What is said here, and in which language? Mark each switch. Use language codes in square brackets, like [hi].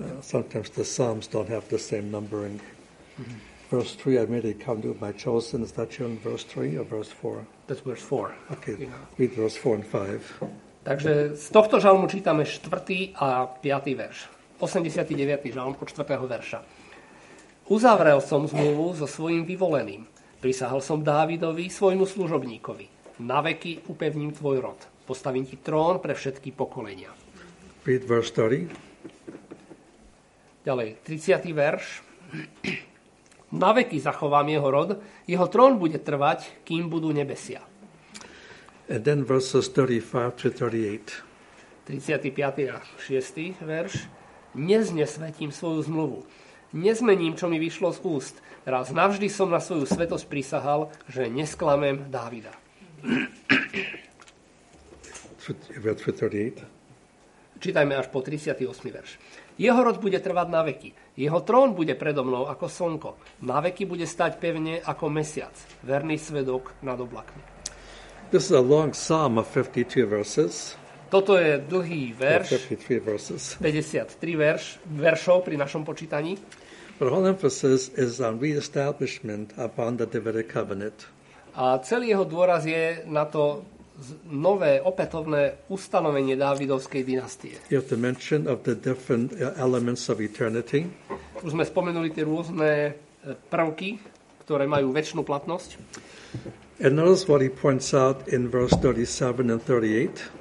[en] Sometimes the psalms don't have the same numbering. Verse 3, I made a covenant with my chosen. Is that you in verse 3 or verse 4? That's verse 4. Okay, read verse 4 and 5. [sk] Takže z tohto žalmu čítame 4. a 5. verš. 89. žalm od 4. verša. Uzavrel som zmluvu so svojim vyvoleným. Prisahal som Dávidovi, svojmu služobníkovi. Na veky upevním tvoj rod. Postavím ti trón pre všetky pokolenia. [en] Read verse 30. [sk] Ďalej, 30. verš. Na veky zachovám jeho rod. Jeho trón bude trvať, kým budú nebesia. [en] And then verses 35 to 38. [sk] 35. a 6. verš. Neznesvetím svoju zmluvu. Nezmením, čo mi vyšlo z úst. Raz navždy som na svoju svetosť prisahal, že nesklamem Dávida. 38. Čítajme až po 38. verš. Jeho rod bude trvať na veky. Jeho trón bude predo mnou ako slnko. Na veky bude stať pevne ako mesiac. Verný svedok nad oblakmi. [en] This is a long psalm of 52 verses. [sk] Toto je dlhý verš, [en] 53, verses. [sk] 53 veršov pri našom počítaní. [en] But all emphasis is on re-establishment upon the Davidic covenant. [sk] A celý jeho dôraz je na to nové, opätovné ustanovenie Dávidovskej dynastie. [en] You have to mention of the different elements of eternity. [sk] Už sme spomenuli tie rôzne prvky, ktoré majú večnú platnosť. [en] And notice what he points out in verse 37 and 38.